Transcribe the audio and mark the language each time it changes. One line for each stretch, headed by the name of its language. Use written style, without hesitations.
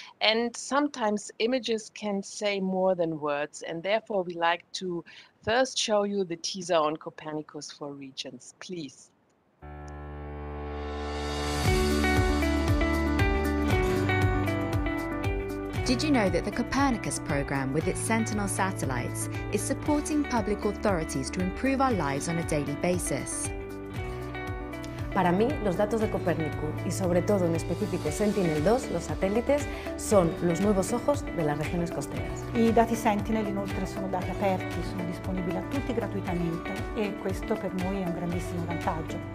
English: And sometimes images can say more than words, and therefore we like to first show you the teaser on Copernicus for Regions, please. Did you know that the Copernicus program with its Sentinel satellites is supporting public authorities to improve our lives on a daily basis?
Spanish: Para mí, los datos de Copernicus y sobre todo en específico Sentinel 2, los satélites, son los nuevos ojos de las regiones costeras.
Italian: I dati Sentinel inoltre sono dati aperti, sono disponibili a tutti gratuitamente e questo per noi è un grandissimo vantaggio.